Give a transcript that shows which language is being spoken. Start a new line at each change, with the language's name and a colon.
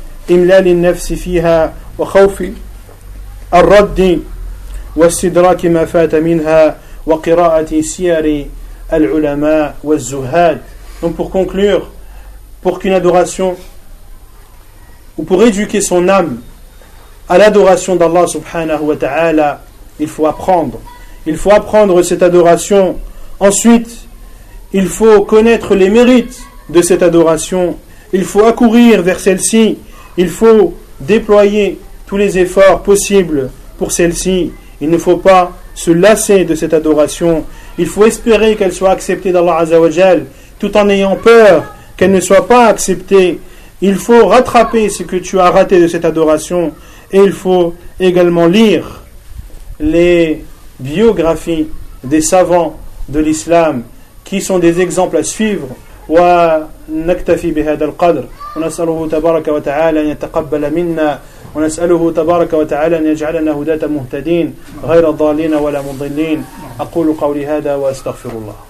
Arabic: إملال النفس فيها وخوف الرد واستدراك ما فات منها وقراءة سير العلماء والزهاد.
French: Donc pour conclure, pour qu'une adoration ou pour éduquer son âme à l'adoration d'Allah subhanahu wa ta'ala, il faut apprendre cette adoration. Ensuite, il faut connaître les mérites de cette adoration, il faut accourir vers celle-ci, il faut déployer tous les efforts possibles pour celle-ci, il ne faut pas se lasser de cette adoration, il faut espérer qu'elle soit acceptée d'Allah Azzawajal, tout en ayant peur qu'elle ne soit pas acceptée, il faut rattraper ce que tu as raté de cette adoration, et il faut également lire les biographies des savants de l'islam qui sont des exemples à suivre.
Arabic: ونكتفي بهذا القدر ونسأله تبارك وتعالى أن يتقبل منا ونسأله تبارك وتعالى أن يجعلنا هداة مهتدين غير ضالين ولا مضلين أقول قولي هذا وأستغفر الله.